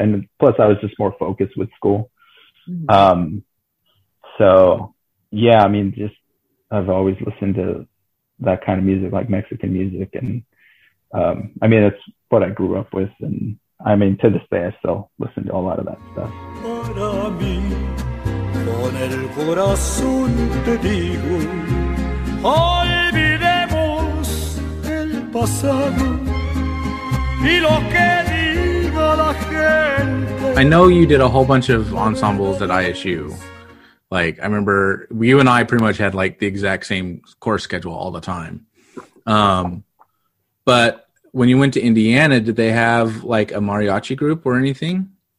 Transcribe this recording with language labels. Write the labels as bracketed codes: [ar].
[en] And plus I was just more focused with school. So yeah, I mean, just I've always listened to that kind of music, like Mexican music, and I mean, it's what I grew up with, and I mean, to this day I still listen to a lot of that stuff. [es] Para mí, con el corazón te digo, olvidemos el pasado y lo que diga la gente. [en] I know you did a whole bunch of ensembles at ISU. Like, I remember you and I pretty much had like the exact same course schedule all the time. But when you went to Indiana, did they have like a mariachi group or anything?